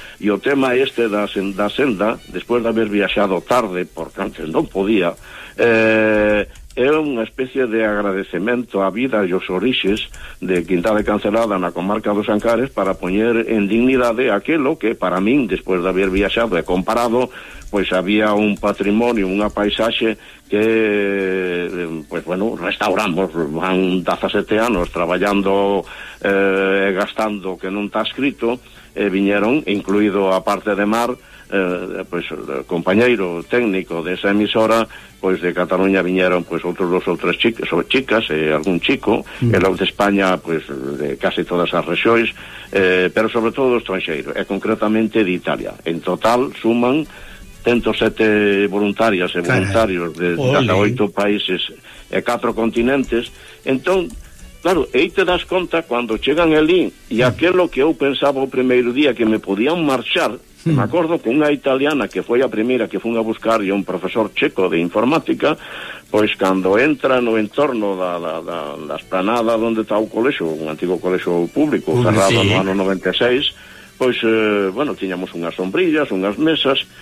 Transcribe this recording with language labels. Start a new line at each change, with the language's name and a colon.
Galician: E o tema este da senda, despois de haber viaxado tarde, porque antes non podía, é unha especie de agradecemento á vida e aos orixes de Quintá de Cancelada na comarca dos Ancares para poñer en dignidade aquilo que, para min, despois de haber viaxado e comparado, pois había un patrimonio, unha paisaxe que, pois, bueno, restauramos. Van 17 anos traballando e gastando que non está escrito, e viñeron, incluído a parte de mar,
Spanish: pues, compañeiro técnico de esa emisora, pues de Cataluña vinieron, pues, otros dos o tres chicas, algún chico, el de España, pues, de casi todas las regiones, pero sobre todo extranjeros, concretamente de Italia. En total suman 107 voluntarias y voluntarios de 8 países y 4 continentes. Entonces, claro,
Galician: e te das conta
Spanish: cuando llegan allí y aquello que yo pensaba el primer día que me podían marchar.
Galician: Me acordo que unha italiana que foi a primeira que fun a buscar e un profesor checo de informática, pois cando entra no entorno da esplanada onde está o colexo, un antigo colexo público cerrado no ano 96, pois, bueno, tiñamos unhas sombrillas, unhas mesas,